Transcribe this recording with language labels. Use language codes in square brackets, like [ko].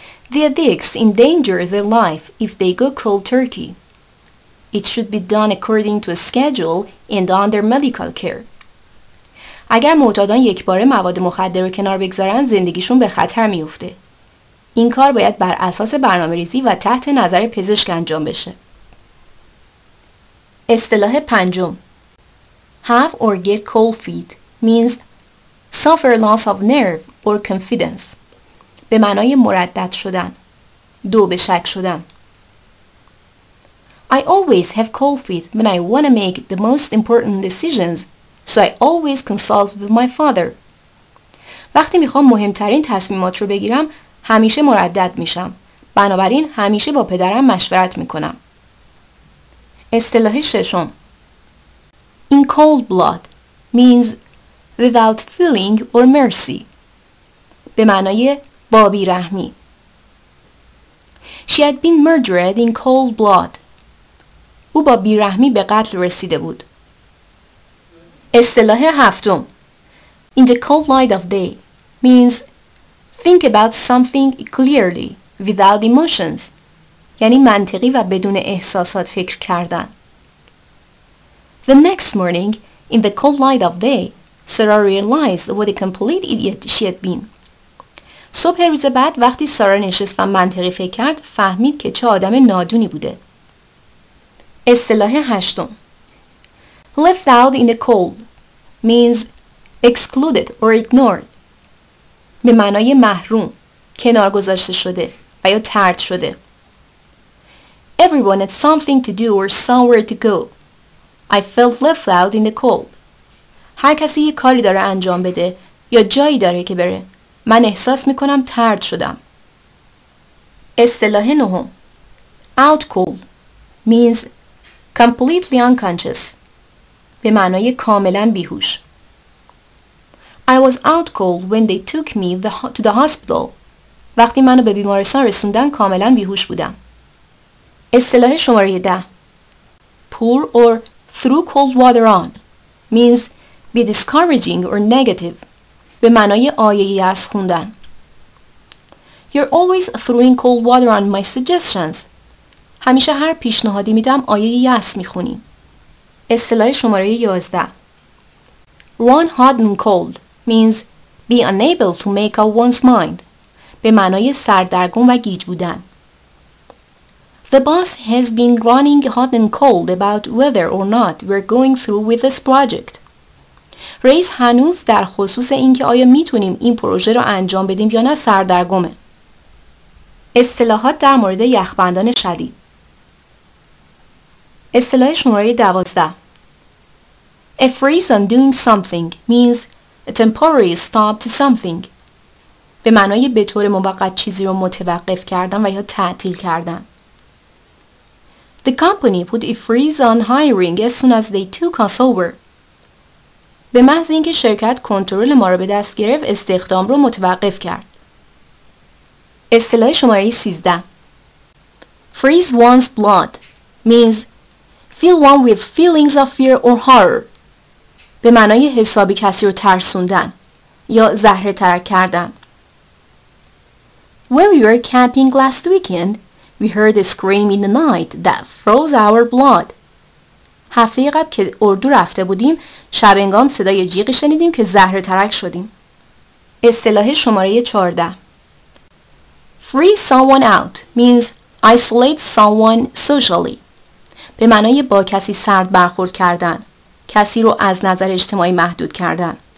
[en] The addicts endanger their life if they go cold turkey. It should be done according to a schedule and under medical care. [fa] اگر معتادان یک بار مواد مخدر رو کنار بگذارن زندگیشون به خطر میفته. این کار باید بر اساس برنامه ریزی و تحت نظر پزشک انجام بشه. اصطلاح پنجم [en] Have or get cold feet means suffer loss of nerve or confidence [fa] به معنای مردد شدن دو به شک شدن [en] I always have cold feet when I want to make the most important decisions so I always consult with my father [fa] وقتی میخوام مهمترین تصمیمات رو بگیرم همیشه مردد میشم بنابراین همیشه با پدرم مشورت میکنم اصطلاح ششم [en] In cold blood means without feeling or mercy [fa] به معنای با بی‌رحمی [en] She had been murdered in cold blood [fa] او با بی‌رحمی به قتل رسیده بود اصطلاح هفتم [en] In the cold light of day means think about something clearly without emotions [fa] یعنی منطقی و بدون احساسات فکر کردن [en] The next morning in the cold light of day Sarah realized what a complete idiot she had been. [fa] صبح روز بعد وقتی سارا نشست و منطقی فکر کرد فهمید که چه آدم نادونی بوده. اصطلاح هشتم [en] Left out in the cold means excluded or ignored [fa] به معنای محروم، کنار گذاشته شده و یا طرد شده. [en] Everyone had something to do or somewhere to go. I felt left out in the cold. [fa] هر کسی یه کاری داره انجام بده یا جایی داره که بره. من احساس میکنم طرد شدم. اصطلاح نهم [en] out cold means completely unconscious [fa] به معنای کاملا بیهوش. [en] I was out cold when they took me to the hospital. [fa] وقتی منو به بیمارستان رسوندن کاملا بیهوش بودم. اصطلاح شماره 10 [en] pour or throw cold water on means be discouraging or negative [fa] به معنای آیه‌ای از خوندن. [en] You're always throwing cold water on my suggestions. [fa] همیشه هر پیشنهادی میدم آیه یأس میخونی. اصطلاح شماره 11 [en] Run hot and cold means be unable to make up one's mind [fa] به معنای سردرگم و گیج بودن. [en] The boss has been running hot and cold about whether or not we're going through with this project. [fa] رئیس هنوز در خصوص اینکه آیا میتونیم این پروژه رو انجام بدیم یا نه سردرگمه. اصطلاحات در مورد یخبندان شدید. اصطلاح شماره 12 [en] A freeze on doing something means a temporary stop to something [fa] به معنای به طور موقت چیزی رو متوقف کردن و یا تعطیل کردن. [en] The company put a freeze on hiring as soon as they took us over [fa] به محض اینکه شرکت کنترل ما رو به دست گرفت استخدام رو متوقف کرد. اصطلاح شماره 13 [en] Freeze one's blood means fill one with feelings of fear or horror [fa] به معنای حسابی کسی رو ترسوندن یا زهره ترک کردن. [en] When we were camping last weekend we heard a scream in the night that froze our blood [fa] هفته قبل که اردو رفته بودیم شب انگام صدای جیغی شنیدیم که زهره ترک شدیم. اصطلاح شماره 14 [en] Freeze someone out means isolate someone socially [fa] به معنای با کسی سرد برخورد کردن، کسی رو از نظر اجتماعی محدود کردن.